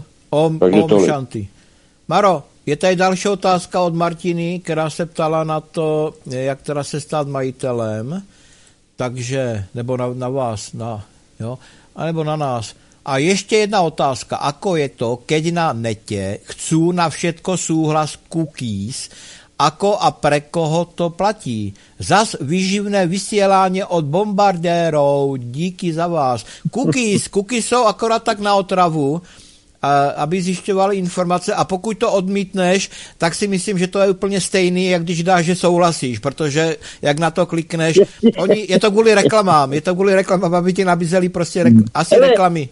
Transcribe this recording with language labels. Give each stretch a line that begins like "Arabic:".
Czech: Om šanty. Maro, je tady další otázka od Martiny, která se ptala na to, jak teda se stát majitelem, takže, nebo na vás, na, jo, anebo na nás.
Slovak: A ještě jedna otázka, ako je to, keď na netě chcú na všetko súhlas cookies, ako a pre koho to platí? Zas výživné vysielanie od bombardérov,
Czech: díky za vás. Cookies jsou akorát tak na otravu, aby zjišťovali informace, a pokud to odmítneš, tak si myslím, že to je úplně stejný, jak když dáš, že souhlasíš, protože jak na to klikneš, oni, je to kvůli reklamám, aby ti nabízeli prostě reklamy.